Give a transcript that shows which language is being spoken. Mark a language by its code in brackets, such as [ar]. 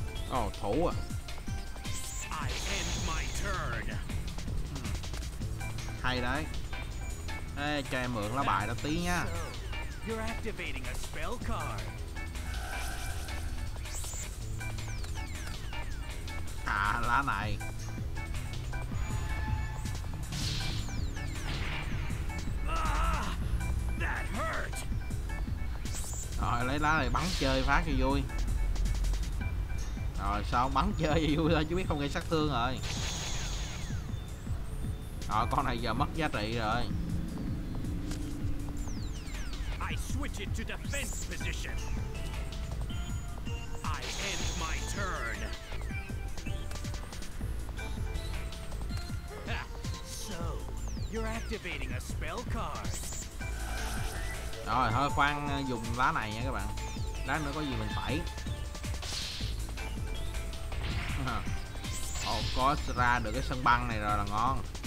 [vi] Ồ, thủ à. [en] I end my turn. [vi] Hay đấy. Ê, cho em mượn lá bài đó tí nha. [en] You're activating a spell card. [vi] À, lá này. [en] That hurt. [vi] Rồi, lấy lá này bắn chơi phát cho vui. Rồi sao bắn chơi gì vui thôi chứ biết không gây sát thương rồi. Rồi con này giờ mất giá trị rồi. [en] I switch it to defense position. I end my turn. So, you're activating a spell card. [vi] Rồi thôi khoan dùng lá này nha các bạn. Lá nữa có gì mình phải. Ồ, có ra được cái sân băng này rồi là ngon.